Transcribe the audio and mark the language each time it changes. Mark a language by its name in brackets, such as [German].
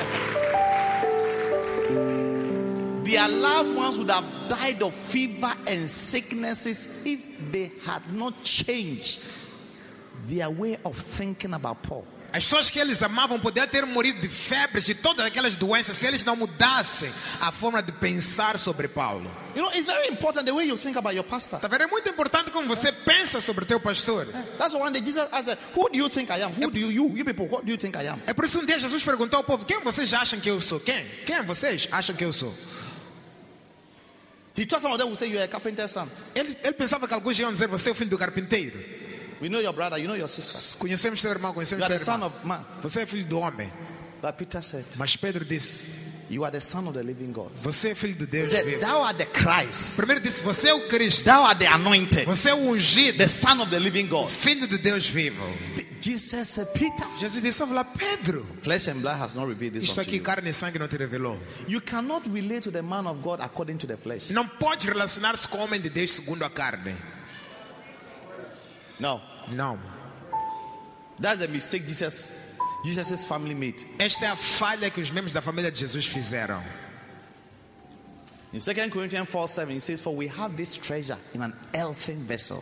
[English] Their loved ones would have died of fever and sicknesses if they had not changed their way of thinking about Paul. [Portuguese] As pessoas que eles amavam poderiam ter morrido de febres e todas aquelas doenças se eles não mudassem a forma de pensar sobre Paulo. [English] You know, it's very important the way you think about your pastor. [Portuguese] Tá vendo? É muito importante como você pensa sobre teu pastor. [English] That's why one day Jesus asked, "Who do you think I am? Who do you people, what do you think I am?" [Portuguese] É por isso que um dia Jesus perguntou ao povo, "Quem vocês acham que eu sou? Quem vocês acham que eu sou?" [English] He thought some of them would say, "You are a carpenter's son." [Portuguese] Ele pensava que alguns iam dizer, "Você é o filho do carpinteiro." [English] We know your brother, you know your sister. [Portuguese] Conhecemos seu irmão, conhecemos seu irmão. [English] You are the son of man. [Portuguese] Você é filho do homem. [English] But Peter said, [Portuguese] mas Pedro disse, [English] you are the son of the living God. [Portuguese] Você é filho do Deus [English] vivo. Thou art the Christ. [Portuguese] Primeiro disse, você é o Cristo. [English] Thou art the anointed. [Portuguese] Você é o ungido. [English] The son of the living God. [Portuguese] Filho do Deus vivo. [English] Jesus said, Peter. [Portuguese] Jesus disse, olha, Pedro. [English] Flesh and blood has not revealed this. [Portuguese] Isso aqui, carne e sangue não te revelou. [English] You cannot relate to the man of God according to the flesh. [Portuguese] Não pode relacionar-se com o homem de Deus segundo a carne. [English] No. No. That's the mistake Jesus' family made. [Portuguese] Esta é a falha que os membros da família de Jesus fizeram. [English] In 2 Corinthians 4:7 it says, for we have this treasure in an earthen vessel.